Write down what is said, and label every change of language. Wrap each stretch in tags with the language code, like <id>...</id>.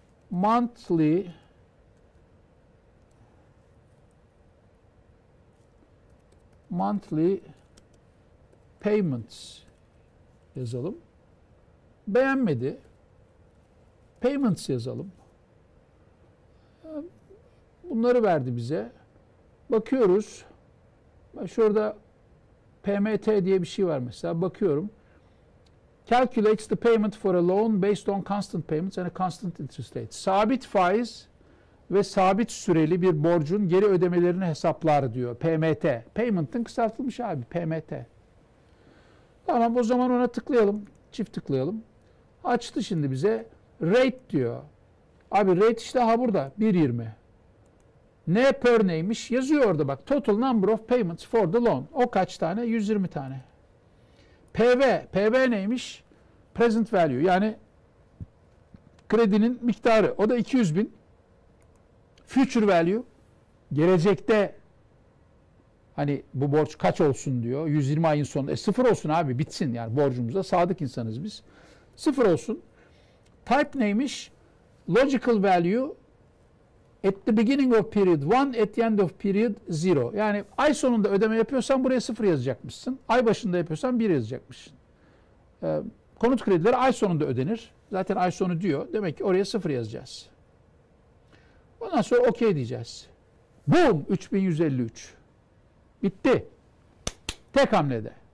<en>monthly monthly payments</en> <tr>yazalım. Beğenmedi. Payments yazalım. Bunları verdi bize. Bakıyoruz. Şurada PMT diye bir şey var mesela. Bakıyorum.</tr> <en>Calculates the payment for a loan based on constant payments and a constant interest rate.</en> <tr>Sabit faiz ve sabit süreli bir borcun geri ödemelerini hesaplar diyor. PMT. Payment'ın kısaltılmış abi. PMT. Tamam, o zaman ona tıklayalım. Çift tıklayalım. Açtı şimdi bize. Rate diyor. Abi rate işte ha burada. 1.20. Ne per neymiş? Yazıyor orada bak.</tr> <en>Total number of payments for the loan.</en> <tr>O kaç tane? 120 tane. PV. PV neymiş? Present value. Yani kredinin miktarı. O da 200 bin. Future value. Gelecekte hani bu borç kaç olsun diyor. 120 ayın sonunda. Sıfır olsun abi. Bitsin yani borcumuza. Sadık insanız biz. Sıfır olsun. Type neymiş?</tr> <en>Logical value. At the beginning of period 1, at the end of period 0.</en> <tr>Yani ay sonunda ödeme yapıyorsan buraya 0 yazacakmışsın. Ay başında yapıyorsan 1 yazacakmışsın. Konut kredileri ay sonunda ödenir. Zaten ay sonu diyor. Demek ki oraya 0 yazacağız. Ondan sonra okey diyeceğiz. Boom! 3153. Bitti. Tek hamlede.</tr>